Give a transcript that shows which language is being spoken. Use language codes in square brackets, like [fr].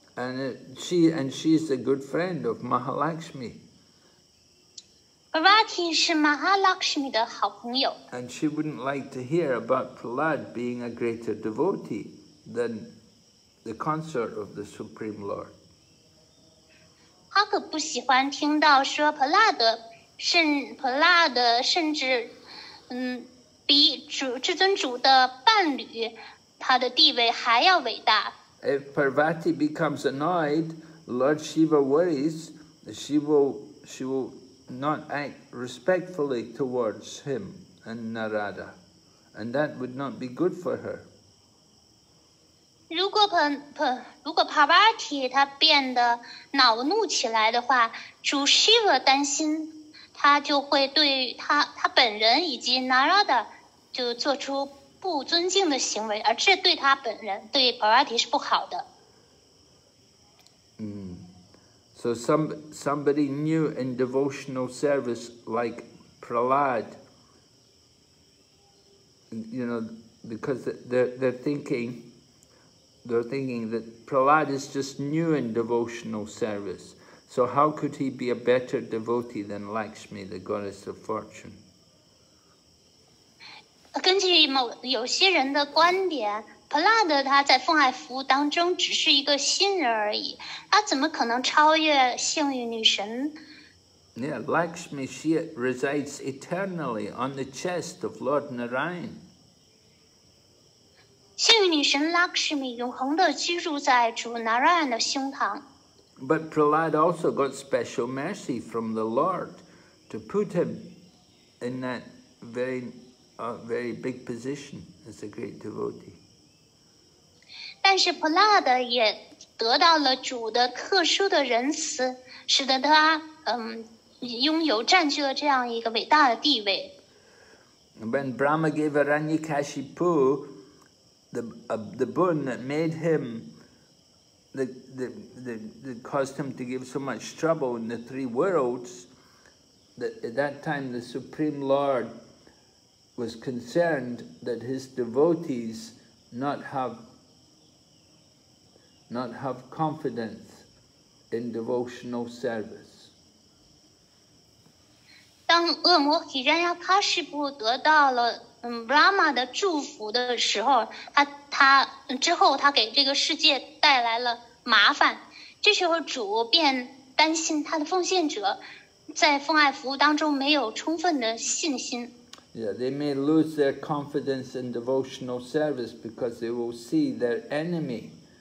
[en] And she is a good friend of Mahalakshmi. [zh] Parvati 是 Mahalakshmi 的好朋友。 [en] And she wouldn't like to hear about Prahlad being a greater devotee than the concert of the Supreme Lord. [zh] 他可不喜欢听到说普拉德甚至比主至尊主的伴侣他的地位还要伟大。 [en] If Parvati becomes annoyed, Lord Shiva worries she will not act respectfully towards him and Narada, and that would not be good for her. [zh] 如果 Parvati 他变得恼怒起来的话，主 Shiva 担心他就会对他本人以及 Narada 就做出不尊敬的行为，而这对他本人对 Parvati 是不好的。 [en] So somebody new in devotional service like Prahlad, you know, because they're thinking that Prahlad is just new in devotional service. So how could he be a better devotee than Lakshmi, the goddess of fortune? [zh] 根据有些人的观点，普拉德他在奉爱服务当中只是一个新人而已，他怎么可能超越幸运女神 [en] ？Yeah, Lakshmi, she resides eternally on the chest of Lord Narayan. [zh] 幸运女神 Lakshmi 永恒的居住在主 Narayan 的胸膛。 [en] But Prahlad also got special mercy from the Lord to put him in that very big position as a great devotee. [zh] 但是普拉德也得到了主的特殊的仁慈，使得他拥有占据了这样一个伟大的地位。 [en] When Brahma gave Aranyakashipu the boon that made him the caused him to give so much trouble in the three worlds, at that time the Supreme Lord was concerned that his devotees not have confidence in devotional service. [zh] 当恶魔毗沙迦喀什布得到了Brahma 的祝福的时候，他之后给这个世界带来了麻烦。这时候主便担心他的奉献者在奉爱服务当中没有充分的信心。 [en] Yeah, they may lose their confidence in devotional service because they will see their enemy.